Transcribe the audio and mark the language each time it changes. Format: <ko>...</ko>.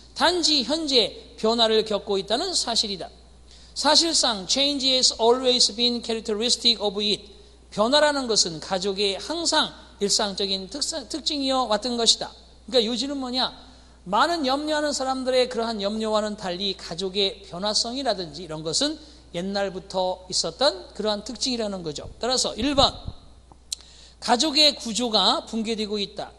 <ko>단지 현재 변화를 겪고 있다는 사실이다. 사실상</ko> <en>change has always been characteristic of it.</en> <ko>변화라는 것은 가족의 항상 일상적인 특징이어 왔던 것이다. 그러니까 요지는 뭐냐? 많은 염려하는 사람들의 그러한 염려와는 달리 가족의 변화성이라든지 이런 것은 옛날부터 있었던 그러한 특징이라는 거죠. 따라서 1번 가족의 구조가 붕괴되고 있다.</ko>